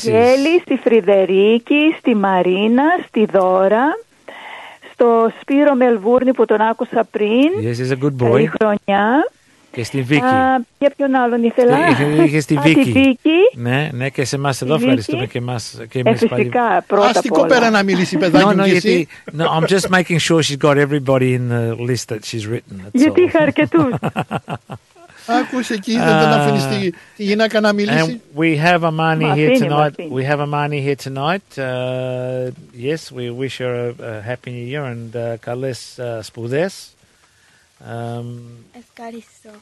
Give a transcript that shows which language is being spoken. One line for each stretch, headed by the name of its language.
Greek: Στο Βαγγέλη, στη Φρυδερίκη, στη Μαρίνα, στη Δώρα, στο Σπύρο Μελβούρνη που τον άκουσα πριν.
English: Yes, he's a good boy.
Greek: Καλή χρονιά. Και στη Βίκη. Για ποιον άλλον ήθελα. Είχε στη Βίκη. Στη Βίκη. Ναι, ναι, και σε εμάς εδώ Βίκη. Ευχαριστούμε και εμάς. Και εμείς φυσικά, πρώτα απ' όλα. Πέρα να μιλήσει, παιδάκι μου, γιατί...
English: No, I'm just making sure she's got everybody in the list that she's written.
Greek: Γιατί είχα αρκετούς. Άκουσε εκεί, δεν θα αφήνεις τη γυναίκα να μιλήσει.
English: We have Amani here tonight. We have Amani here tonight. Yes, we wish her a happy new year and
Greek: καλές σπουδές. Ευχαριστώ.